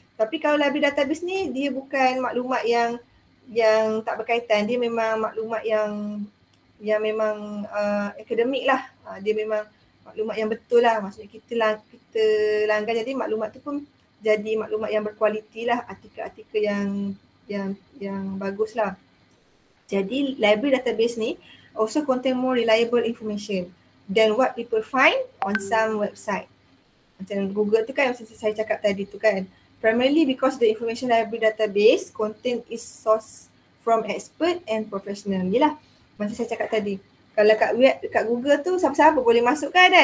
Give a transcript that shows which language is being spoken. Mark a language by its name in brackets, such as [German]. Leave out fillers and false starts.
[Malay] Tapi kalau library database ni, dia bukan maklumat yang tak berkaitan. Dia memang maklumat yang memang akademik lah. Dia memang maklumat yang betul lah. Maksudnya kita langgan, jadi maklumat tu pun jadi maklumat yang berkualiti lah. Artikel-artikel yang bagus lah. Jadi [English] library database ni also contain more reliable information than what people find on some website. [Malay] Macam Google tu kan, macam saya cakap tadi tu kan. [English] Primarily because the information library database contain is source from expert and professional. [Malay] Yelah, macam saya cakap tadi. Kalau kat Google tu, siapa-siapa boleh masuk kan.